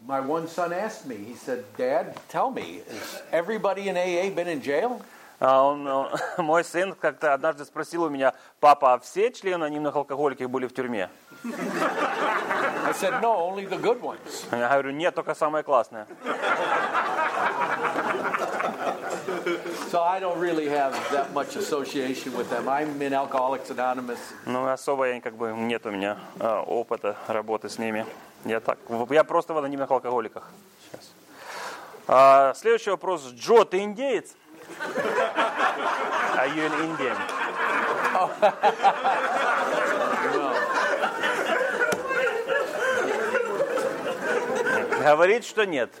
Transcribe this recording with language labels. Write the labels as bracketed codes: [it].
[en] My one son asked me. He said, "Dad, tell me, has everybody in AA been in jail?" [ru] Мой сын как-то однажды спросил у меня: "Папа, а все члены анонимных алкоголиков были в тюрьме?" [en] I said, "No, only the good ones." [ru] Я говорю: "Нет, только самое классное." [en] So I don't really have that much association with them. I'm in Alcoholics Anonymous. [ru] Ну, особо я как бы нет у меня опыта работы с ними. Я так. Я просто в анонимных алкоголиках. Сейчас. Следующий вопрос. Джо, ты индеец? [en] Are you an Indian? [ru] Говорит, что нет.